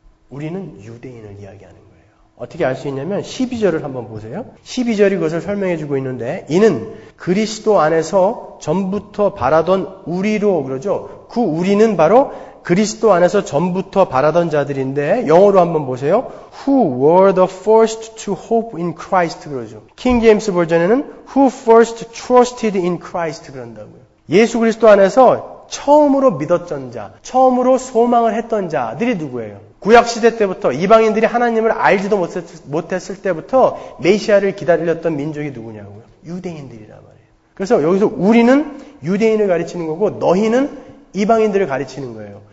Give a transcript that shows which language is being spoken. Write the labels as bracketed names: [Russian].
[Korean] 우리는 유대인을 이야기하는 거예요. 어떻게 알 수 있냐면 12절을 한번 보세요. 12절이 그것을 설명해 주고 있는데 이는 그리스도 안에서 전부터 바라던 우리로 그러죠. 그 우리는 바로 그리스도 안에서 전부터 바라던 자들인데 영어로 한번 보세요. [English] Who were the first to hope in Christ [Korean] 그러죠. [English] King James 버전에는 Who first trusted in Christ 그런다고요. [Korean] 예수 그리스도 안에서 처음으로 믿었던 자, 처음으로 소망을 했던 자들이 누구예요? 구약시대 때부터 이방인들이 하나님을 알지도 못했을 때부터 메시아를 기다렸던 민족이 누구냐고요? 유대인들이란 말이에요. 그래서 여기서 우리는 유대인을 가리치는 거고 너희는 이방인들을 가리치는 거예요.